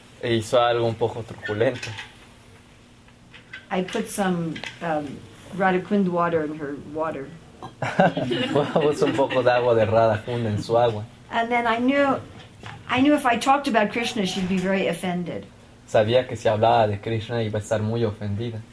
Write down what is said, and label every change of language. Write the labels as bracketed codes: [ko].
[es] E hizo algo un poco truculento. [en] I put some Radhakund water in her water. [es] Puso un poco de agua de Radhakund en su agua. [en] And then I knew if I talked about Krishna, she'd be very offended. [es] Sabía que si hablaba de Krishna iba a estar muy ofendida.